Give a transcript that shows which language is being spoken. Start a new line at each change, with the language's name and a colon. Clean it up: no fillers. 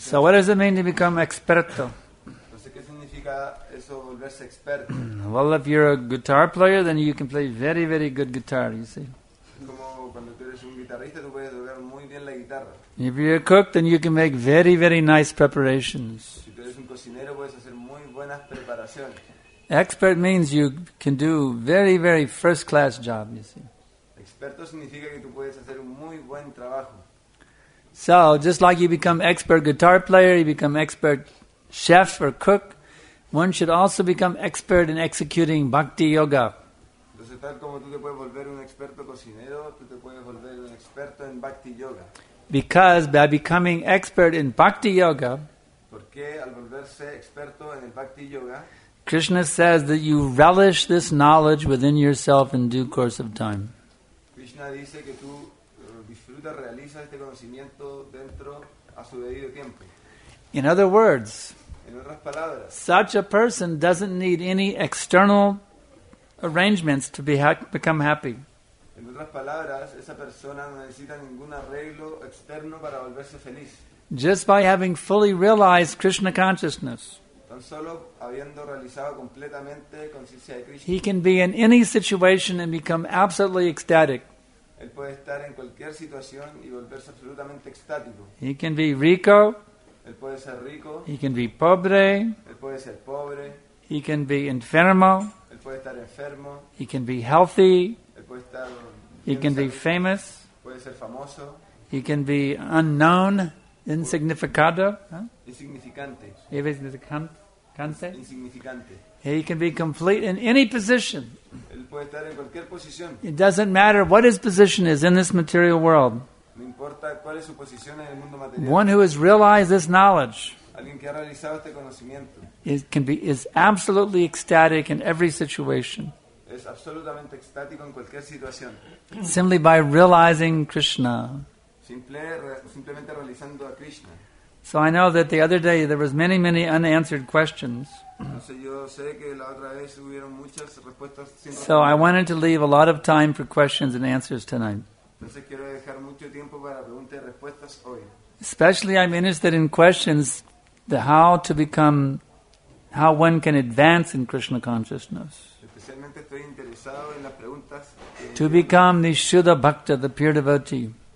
English: So what does it mean to become
Spanish: experto? Entonces, ¿qué significa eso, volverse experto?
English: Well, if you're a guitar player, then you can play very, very good guitar, you see.
Spanish: Como cuando tú eres un guitarrista, tú puedes tocar muy bien la guitarra.
English: If you're a cook, then you can make very, very nice preparations.
Spanish: Si tú eres un cocinero, puedes hacer muy buenas preparaciones.
English: Expert means you can do very, very first-class job, you see.
Spanish: experto significa que tú puedes hacer un muy buen trabajo.
English: So, just like you become expert guitar player, you become expert chef or cook, one should also become expert in executing bhakti yoga.
Spanish: Entonces, tal como tú te puedes volver un experto cocinero, tú te puedes volver un experto en bhakti yoga.
English: Because by becoming expert in bhakti yoga,
Spanish: porque al volverse experto en el bhakti yoga,
English: Krishna says that you relish this knowledge within yourself in due course of time.
Spanish: Krishna dice que tú disfrutas, realizas este conocimiento dentro a su debido tiempo.
English: In other words,
Spanish: en otras palabras,
English: such a person doesn't need any external arrangements to become happy.
Spanish: En otras palabras, esa persona no necesita ningún arreglo externo para volverse feliz.
English: Just by having fully realized Krishna consciousness,
Spanish: tan solo habiendo realizado completamente conciencia de Krishna,
English: he can be in any situation and become absolutely ecstatic.
Spanish: Él puede estar en cualquier situación y volverse absolutamente extático.
English: He can be
Spanish: rico. Él puede ser rico.
English: He can be
Spanish: pobre. Él puede ser pobre.
English: He can be
Spanish: enfermo. Él puede estar enfermo.
English: He can be healthy.
Spanish: Él puede estar
English: he can be famous.
Spanish: Puede ser famoso.
English: He can be unknown.
Spanish: Insignificado. Insignificante. Insignificante.
English: He can be complete in any position.
Spanish: Él puede estar en cualquier posición.
English: It doesn't matter what his position is in this material world.
Spanish: No importa cuál es su posición en el mundo material.
English: One who has realized this knowledge,
Spanish: alguien que ha realizado este conocimiento,
English: is absolutely ecstatic in every situation.
Spanish: Es absolutamente extático en cualquier situación.
English: Simply by realizing Krishna.
Spanish: Simplemente realizando a Krishna.
English: So I know that the other day there was many, many unanswered questions. So I wanted to leave a lot of time for questions and answers tonight.
Spanish: Entonces, quiero dejar mucho tiempo para preguntas y respuestas hoy.
English: Especially I'm interested in questions the how to become, how one can advance in Krishna consciousness.
Spanish: Especialmente estoy interesado en las preguntas,
English: to become the Shuddha Bhakta, the pure devotee.